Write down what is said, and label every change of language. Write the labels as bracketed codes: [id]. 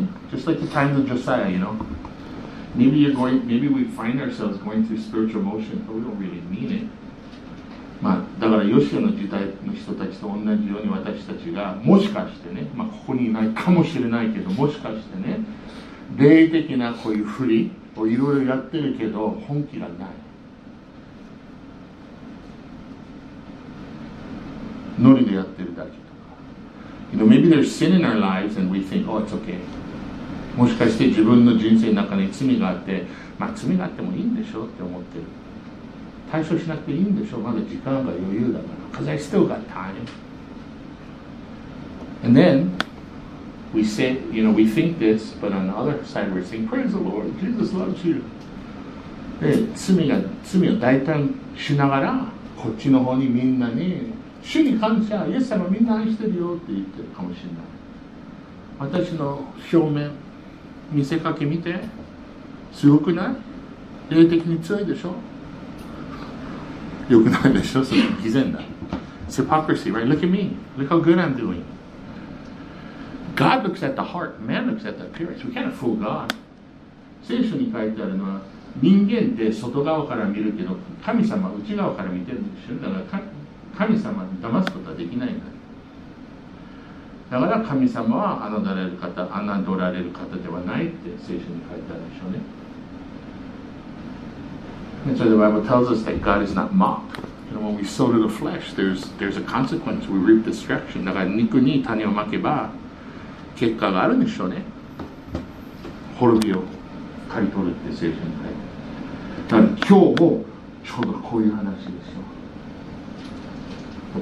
[en] Just like the times of Josiah, you know. Maybe we find ourselves going through spiritual motion, but we don't really mean it. [ja] まあ、だからヨシアの時代の人たちと同じように私たちが、もしかしてね、まあ、ここにいないかもしれないけど、もしかしてね、霊的なこういうふりをいろいろやってるけど、本気がない。ノリでやってるだけとか。 [en] You know, maybe there's sin in our lives and we think, oh, it's okay. [ja] もしかして自分の人生の中に罪があって、まあ罪があってもいいんでしょうって思ってる。対処しなくていいんでしょう、まだ時間が余裕だから。 [en] Because I still got time. And then, we say, you know, we think this, but on the other side we're saying, Praise the Lord, Jesus loves you. [ja] で、罪を代替しながら、こっちの方にみんなに、主に感謝、イエス様みんな愛してるよって言ってるかもしれない。私の表面、見せかけ見て、強くない? 霊的に強いでしょ?よくないでしょ?それ偽善だ。 [en] It's hypocrisy, right? Look at me. Look how good I'm doing. God looks at the heart. Man looks at the appearance. We can't fool God. [ja] 聖書に書いてあるのは、人間って外側から見るけど、神様は内側から見てるんですよ。だから神様に騙すことはできないんだ。だから神様は侮られる方ではないって聖書に書いてあるでしょうね。 [en] And so the Bible tells us that God is not mocked. You know, when we sow to the flesh, there's a consequence. We reap destruction. [ja] だから肉に種をまけば結果があるんでしょうね。滅びを刈り取るって聖書に書いてある。だから今日もちょうどこういう話でしょう。